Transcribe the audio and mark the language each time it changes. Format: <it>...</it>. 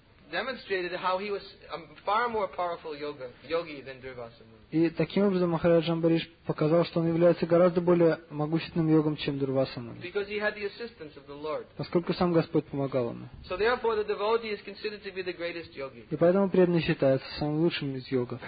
<en>Demonstrated how he was a far more powerful yogi than Durvasa Muni.</en> <ru>И таким образом Махарадж Амбариш показал, что он является гораздо более могущественным йогом, чем Дурвасса Муни.</ru> <en>Because he had the assistance of the Lord.</en> <ru>Поскольку сам Господь помогал ему.</ru> <en>So therefore, the devotee is considered to be the greatest yogi.</en> <ru>И поэтому преданный считается самым лучшим из йогов.</ru>